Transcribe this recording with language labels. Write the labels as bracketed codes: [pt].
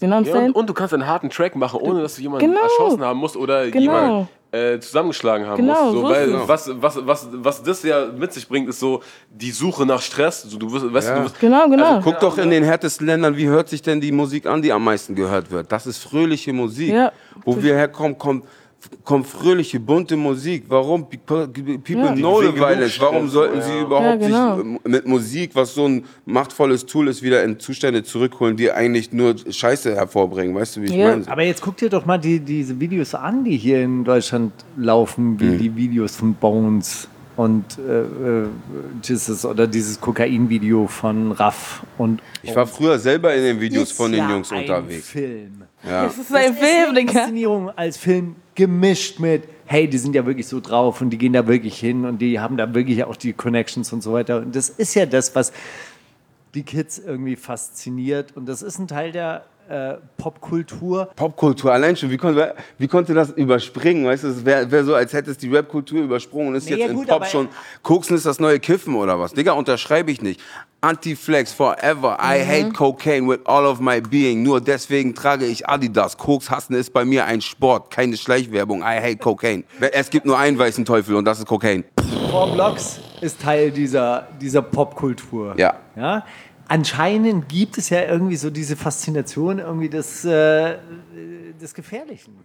[de] Und du kannst einen harten Track machen, ohne dass du jemanden erschossen haben musst oder jemanden zusammengeschlagen haben musst. Was das ja mit sich bringt, ist so die Suche nach Stress. So, Also guck doch in den härtesten Ländern, wie hört sich denn die Musik an, die am meisten gehört wird. Das ist fröhliche Musik. Ja. Wo wir herkommen, kommt kommt fröhliche, bunte Musik. Warum [en] people know the violence? [de] Warum sollten sie überhaupt sich mit Musik, was so ein machtvolles Tool ist, wieder in Zustände zurückholen, die eigentlich nur Scheiße hervorbringen? Weißt du, wie ich meine? Aber jetzt guck dir doch mal diese Videos an, die hier in Deutschland laufen, wie die Videos von Bones und Jesus oder dieses Kokain-Video von Raff. Ich war früher selber in den Videos von den Jungs unterwegs. Das ist ein Film, Inszenierung als Film gemischt mit, hey, die sind ja wirklich so drauf und die gehen da wirklich hin und die haben da wirklich auch die Connections und so weiter. Und das ist ja das, was die Kids irgendwie fasziniert. Und das ist ein Teil der Popkultur. Popkultur, allein schon, wie konnte das überspringen? Weißt du, es wär so, als hättest du die Rapkultur übersprungen und ist jetzt in gut, Pop schon. Koksen ist das neue Kiffen oder was? Digga, unterschreibe ich nicht. [en] Anti-Flex forever. I hate cocaine with all of my being. [de] Nur deswegen trage ich Adidas. Koks hassen ist bei mir ein Sport. Keine Schleichwerbung. [en] I hate cocaine. [de] Es gibt nur einen weißen Teufel und das ist Cocaine. Four Blocks ist Teil dieser Popkultur. Ja. Ja. Anscheinend gibt es ja irgendwie so diese Faszination irgendwie des Gefährlichen.